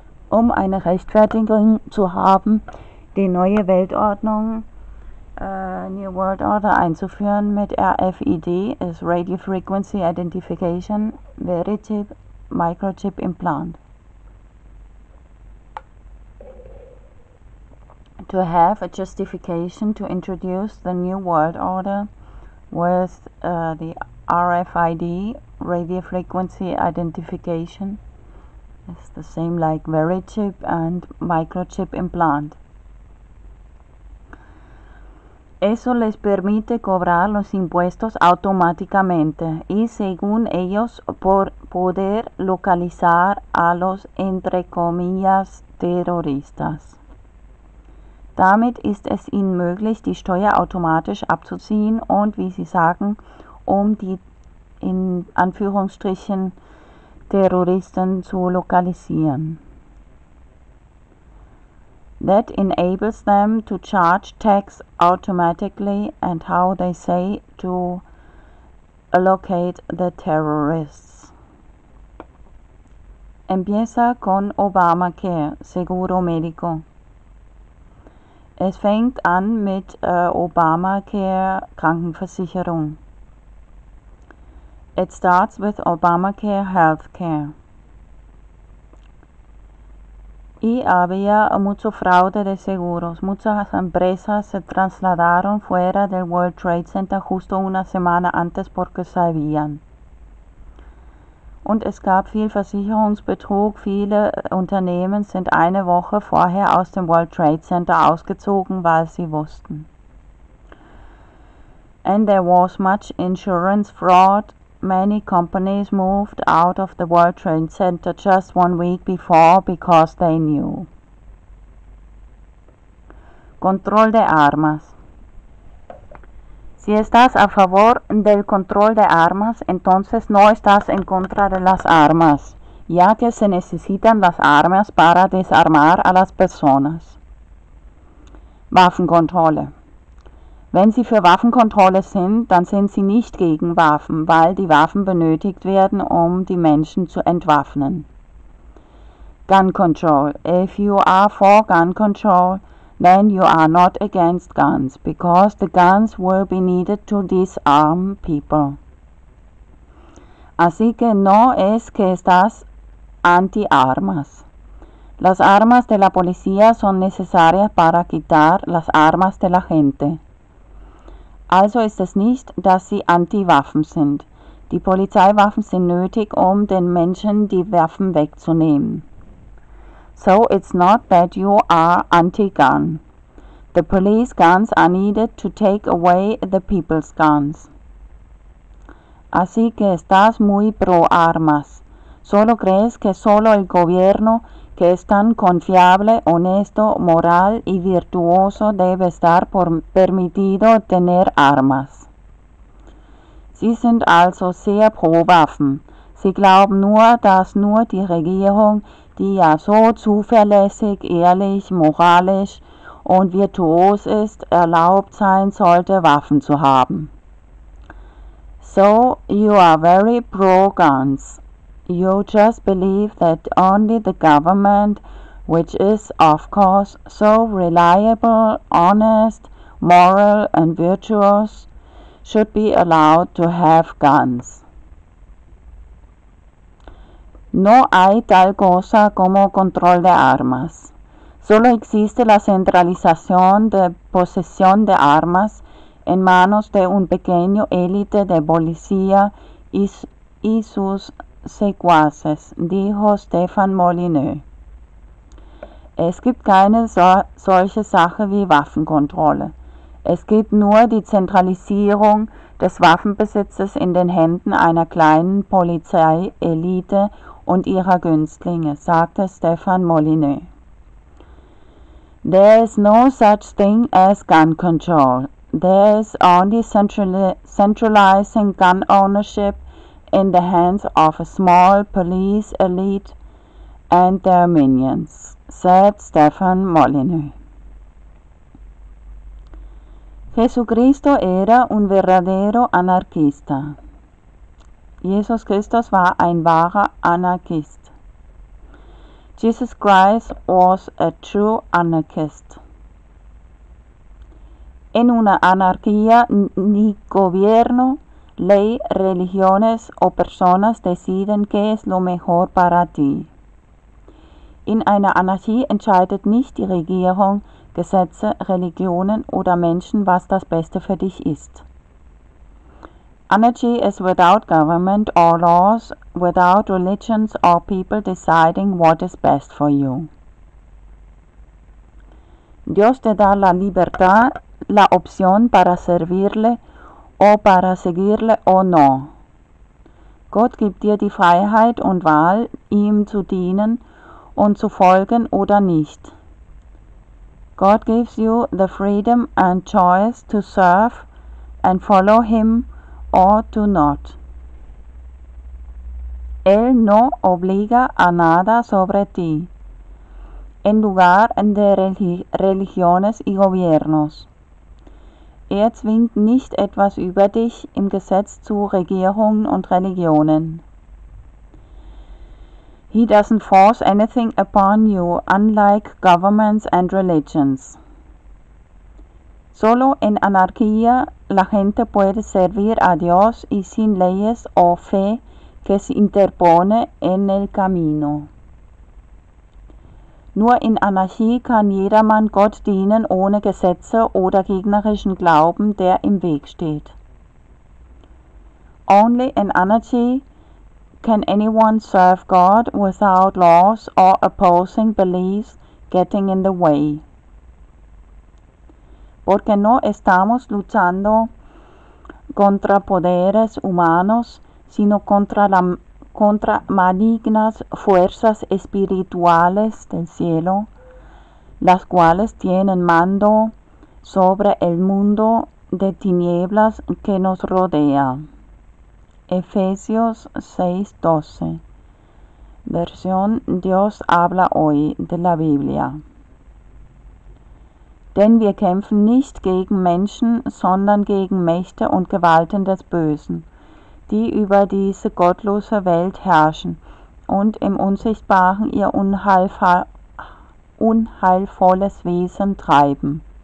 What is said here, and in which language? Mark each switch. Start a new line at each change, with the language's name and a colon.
German: Um eine Rechtfertigung zu haben, die neue Weltordnung
English: New World Order
German: einzuführen mit RFID, ist Radio Frequency Identification Veritip Microchip Implant.
English: To have a justification to introduce the New World Order with the RFID, Radio Frequency Identification, it's the same like Verichip and Microchip Implant.
Spanish: Eso les permite cobrar los impuestos automáticamente y según ellos por poder localizar a los entre comillas terroristas.
German: Damit ist es ihnen möglich, die Steuer automatisch abzuziehen und, wie sie sagen, um die in Anführungsstrichen Terroristen zu lokalisieren.
English: That enables them to charge tax automatically and how they say to allocate the terrorists.
Spanish: Empieza con Obamacare, seguro médico.
German: Es fängt an mit Obamacare Krankenversicherung.
English: It starts with Obamacare Healthcare.
Spanish: Y había mucho fraude de seguros. Muchas empresas se trasladaron fuera del World Trade Center justo una semana antes porque sabían.
German: Und es gab viel Versicherungsbetrug. Viele Unternehmen sind eine Woche vorher aus dem World Trade Center ausgezogen, weil sie wussten.
English: And there was much insurance fraud. Many companies moved out of the World Trade Center just one week before because they knew.
Spanish: Control de armas. Si estás a favor del control de armas, entonces no estás en contra de las armas, ya que se necesitan las armas para desarmar a las personas.
German: Waffenkontrolle. Wenn Sie für Waffenkontrolle sind, dann sind Sie nicht gegen Waffen, weil die Waffen benötigt werden, um die Menschen zu entwaffnen.
English: Gun control. If you are for gun control, then you are not against guns, because the guns will be needed to disarm people.
Spanish: Así que no es que estás anti-armas. Las armas de la policía son necesarias para quitar las armas de la gente.
German: Also ist es nicht, dass sie Anti-Waffen sind. Die Polizeiwaffen sind nötig, um den Menschen die Waffen wegzunehmen.
English: So it's not that you are anti-gun. The police guns are needed to take away the people's guns.
Spanish: Así que estás muy pro armas. Solo crees que solo el gobierno, que es tan confiable, honesto, moral y virtuoso, debe estar permitido tener armas.
German: Sie sind also sehr pro Waffen. Sie glauben nur, dass nur die Regierung, die ja so zuverlässig, ehrlich, moralisch und virtuos ist, erlaubt sein sollte, Waffen zu haben.
English: So, you are very pro guns. You just believe that only the government, which is, of course, so reliable, honest, moral and virtuous, should be allowed to have guns.
Spanish: No hay tal cosa como control de armas. Solo existe la centralización de posesión de armas en manos de un pequeño élite de policía y sus secuaces, dijo Stefan Molyneux.
German: Es gibt keine solche Sache wie Waffenkontrolle. Es gibt nur die Zentralisierung des Waffenbesitzes in den Händen einer kleinen Polizeielite und ihrer Günstlinge, sagte Stefan Molyneux.
English: There is no such thing as gun control. There is only centralizing gun ownership in the hands of a small police elite and their minions, said Stefan Molyneux.
Spanish: Jesucristo era un verdadero anarquista.
German: Jesus Christus war ein wahrer Anarchist.
English: Jesus Christ was a true anarchist.
Spanish: en una anarquía ni gobierno, ley, religiones o personas deciden qué es lo mejor para ti.
German: In einer Anarchie entscheidet nicht die Regierung, Gesetze, Religionen oder Menschen, was das Beste für dich ist.
English: Anarchy is without government or laws, without religions or people deciding what is best for you.
Spanish: Dios te da la libertad, la opción para servirle o para seguirle o no.
German: Gott gibt dir die Freiheit und Wahl, ihm zu dienen und zu folgen oder nicht.
English: God gives you the freedom and choice to serve and follow him or to not.
Spanish: Él no obliga a nada sobre ti, en lugar de religiones y gobiernos.
German: Er zwingt nicht etwas über dich im Gesetz zu Regierungen und Religionen.
English: He doesn't force anything upon you, unlike governments and religions.
Spanish: Solo en anarquía la gente puede servir a Dios y sin leyes o fe que se interpone en el camino.
German: Nur in Anarchie kann jedermann Gott dienen ohne Gesetze oder gegnerischen Glauben, der im Weg steht.
English: Only in anarchy can anyone serve God without laws or opposing beliefs getting in the way.
Spanish: Porque no estamos luchando contra poderes humanos, sino contra malignas fuerzas espirituales del cielo, las cuales tienen mando sobre el mundo de tinieblas que nos rodea. Efesios 6:12, versión Dios habla hoy de la Biblia.
German: Denn wir kämpfen nicht gegen Menschen, sondern gegen Mächte und Gewalten des Bösen, die über diese gottlose Welt herrschen und im Unsichtbaren ihr unheilvolles Wesen treiben.